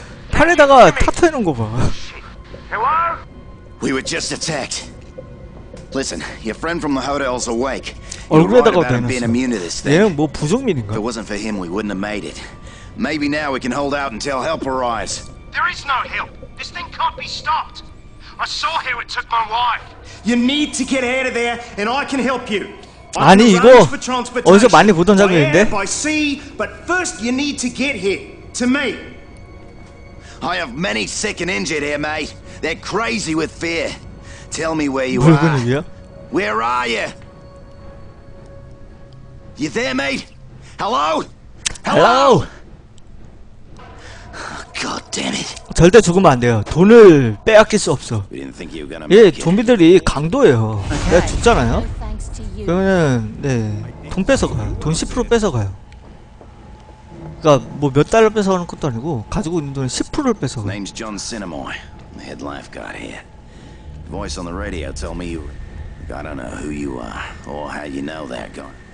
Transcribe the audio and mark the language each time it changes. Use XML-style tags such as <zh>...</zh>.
<ko>판에다가 타투 해놓은 거 봐.</ko> <en>We were just attacked. Listen, your friend from the hotel is awake.</en> <ko>얼굴에다가 대놨어. 얘는 뭐 부족민인가?</ko> <en>If it wasn't for him, we wouldn't have made it. Maybe now we can hold out until help arrives. There is no help. This thing can't be stopped. I saw how it took my wife. You need to get out of there, and I can help you.</en> <ko>아니 이거 어디서 많이 보던 장면인데?</ko> <en>By sea, but first you need to get here to me. I have many sick and injured here, mate. They're crazy with fear. Tell me where you are.</en> <ko>무슨 일이야?</ko> <en>Where are you? You there, mate? Hello? Hello? God damn it.</en> <ko>절대 죽으면 안 돼요. 돈을 빼앗길 수 없어. 예, 좀비들이 강도예요. Okay. 내가 죽잖아요. 그러면은 네, 돈 뺏어 가요. 돈 10% 뺏어 가요. 그러니까 뭐 몇 달러 뺏어 가는 것도 아니고 가지고 있는 돈의 10%를 뺏어 가요.</ko> <en>Name's John Cinnamon. I'm the head lifeguard here. Voice on the radio tell me you I don't know who you are or how you know that guy.</en>